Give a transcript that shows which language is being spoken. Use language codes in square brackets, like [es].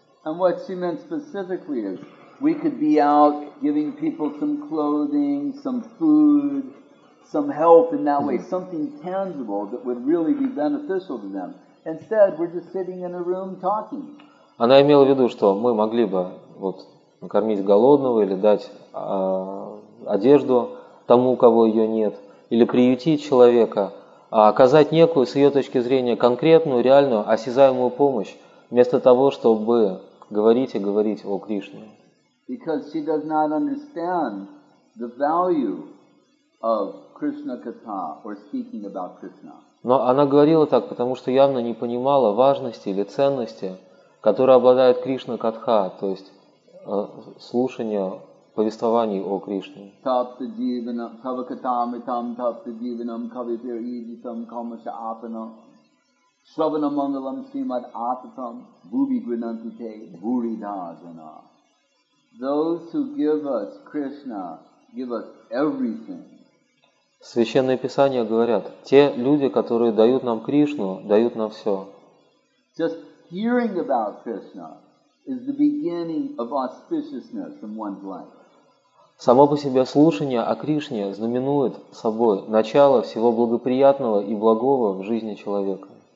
[en] And what she meant specifically is, we could be out giving people some clothing, some food, some help in that way, something tangible that would really be beneficial to them. Instead, we're just sitting in a room talking. [ru] Она имела в виду, что мы могли бы вот накормить голодного или дать одежду тому, у кого ее нет, или приютить человека, оказать некую, с ее точки зрения, конкретную, реальную, осязаемую помощь, вместо того, чтобы говорить и говорить о Кришне. [en] Because she does not understand the value of Krishna katha or speaking about Krishna. [ru] Но она говорила так, потому что явно не понимала важности или ценности, которой обладает Кришна катха, то есть слушание повествований о Кришне. [sa] Tapta jivanam tava kathamitam tapta jivanam kavipir ijitam kamasya apanam shravana mangalam srimad atatam bhuvi grinantite bhurida jana. [en] Those who give us Krishna give us everything. [ru] Священные писания говорят, те люди, которые дают нам Кришну, дают нам все. [en] Just hearing about Krishna is the beginning of auspiciousness in one's life. [ru] Само по себе слушание о Кришне знаменует собой начало всего благоприятного и благого в жизни человека.